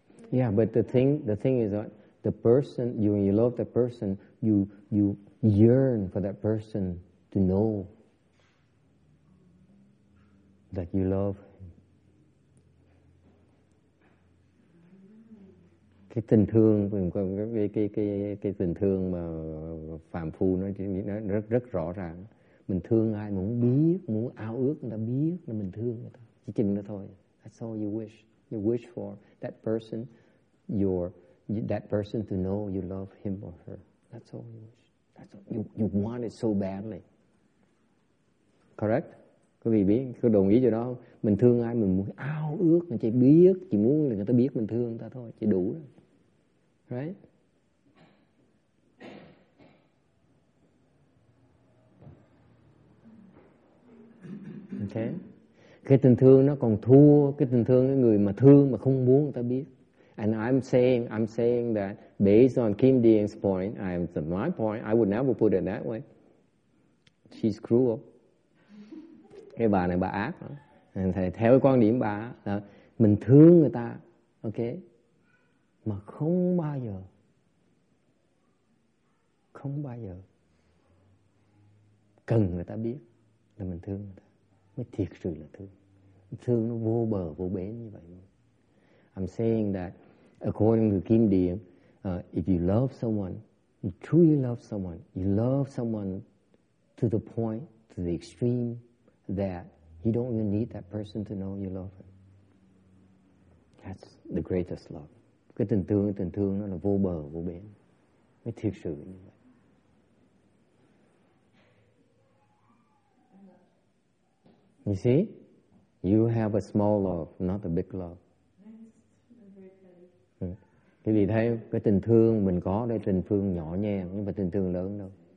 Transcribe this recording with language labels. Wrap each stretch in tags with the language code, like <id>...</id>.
<en>Yeah, but the thing is that the person you love, the person you yearn for that person to know that you love.</en> <vi>Cái tình thương, cái tình thương mà phàm phu nó rất rất rõ ràng. Mình thương ai mà muốn biết, muốn ao ước người ta biết là mình thương người ta. Chỉ chừng đó thôi.</vi> <en>That's all you wish for that person, that person to know you love him or her. That's all you wish. That's all you want it so badly. Correct?</en> <vi>Có gì biết, có đồng ý cho đó không? Mình thương ai, mình muốn ao ước, mình chỉ biết, chỉ muốn là người ta biết mình thương người ta thôi, chỉ đủ rồi.</vi> <en>Right?</en> <vi>Okay. Cái tình thương nó còn thua cái tình thương cái người mà thương mà không muốn người ta biết.</vi> <en>And I'm saying that based on Kim Dien's point, my point, I would never put it that way. She's cruel.</en> <vi>Cái bà này bà ác. Thầy theo quan điểm bà là mình thương người ta, ok, mà không bao giờ cần người ta biết là mình thương người ta. Mới thiệt sự là thương. Thương nó vô bờ, vô bến như vậy.</vi> <en>I'm saying that according to Kim Dien, if you love someone, you truly love someone, you love someone to the point, to the extreme, that you don't even need that person to know you love him. That's the greatest love.</en> <vi>Cái tình thương nó là vô bờ, vô bến. Mới thiệt sự như vậy.</vi> <en>You see, you have a small love, not a big love.</en> <vi>Thì vì thấy cái tình thương mình có đây tình thương nhỏ nhẹ nhưng mà tình thương lớn đâu.</vi>